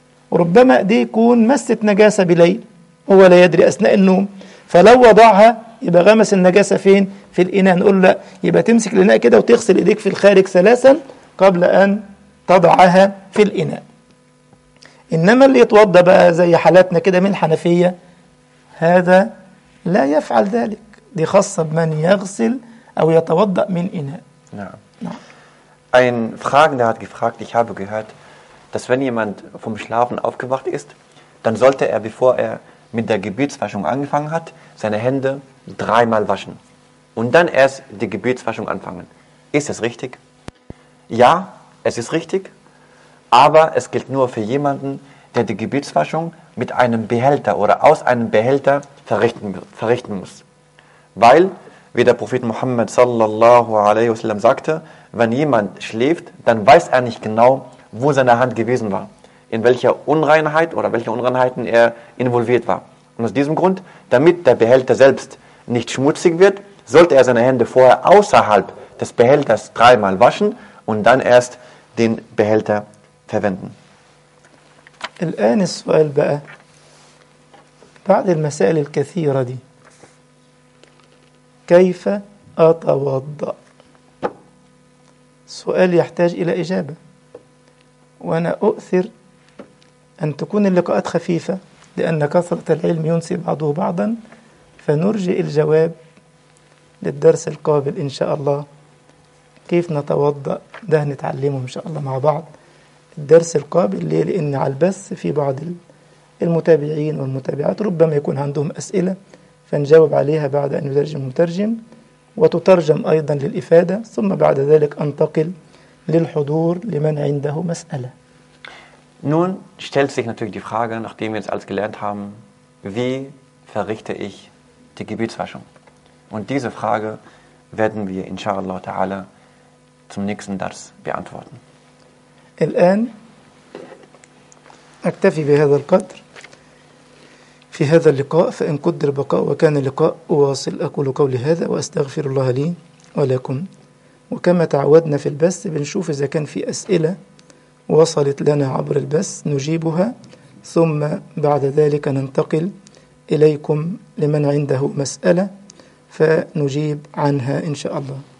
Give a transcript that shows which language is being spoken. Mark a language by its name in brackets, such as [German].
[Arabic] وربما دي يكون مست نجاسة بليل هو لا يدري أثناء النوم فلو وضعها يبقى غمس النجاسة فين في الإناء نقول لا يبقى تمسك الإناء كده وتغسل إيديك في الخارج ثلاثا قبل أن تضعها في الإناء إنما اللي يتوضى بقى زي حالاتنا كده من حنفية هذا لا يفعل ذلك دي خاصة بمن يغسل أو يتوضأ من إناء [German] Ein Fragender hat gefragt, ich habe gehört, dass wenn jemand vom Schlafen aufgewacht ist, dann sollte er, bevor er mit der Gebetswaschung angefangen hat, seine Hände dreimal waschen und dann erst die Gebetswaschung anfangen. Ist es richtig? Ja, es ist richtig, aber es gilt nur für jemanden, der die Gebetswaschung mit einem Behälter oder aus einem Behälter verrichten muss. Weil, wie der Prophet Muhammad sallallahu alaihi wasallam sagte, wenn jemand schläft, dann weiß er nicht genau, wo seine Hand gewesen war, in welcher Unreinheit oder welche Unreinheiten er involviert war. Und aus diesem Grund, damit der Behälter selbst nicht schmutzig wird, sollte er seine Hände vorher außerhalb des Behälters dreimal waschen und dann erst den Behälter verwenden. [Arabic] الآن السؤال بقى بعد المسائل الكثيرة دي كيف أتوضأ؟ سؤال يحتاج إلى إجابة. وأنا أؤثر أن تكون اللقاءات خفيفة لأن كثرة العلم ينسي بعضه بعضا فنرجئ الجواب للدرس القابل إن شاء الله كيف نتوضأ ده نتعلمه إن شاء الله مع بعض الدرس القابل ليه لأن على البث في بعض المتابعين والمتابعات ربما يكون عندهم أسئلة فنجاوب عليها بعد أن يترجم المترجم وتترجم أيضا للإفادة ثم بعد ذلك أنتقل للحضور لمن عنده مسألة. [German] Nun stellt sich natürlich die Frage, nachdem wir jetzt alles gelernt haben, wie verrichte ich die Gebetswaschung? Und diese Frage werden wir inshallah ta'ala zum nächsten Dars beantworten. [Arabic] الآن أكتفي بهذا القدر في هذا اللقاء فإن قدر بقاء وكان اللقاء أواصل أقول قولي هذا وأستغفر الله لي ولكم وكما تعودنا في البث بنشوف إذا كان في أسئلة وصلت لنا عبر البث نجيبها ثم بعد ذلك ننتقل إليكم لمن عنده مسألة فنجيب عنها إن شاء الله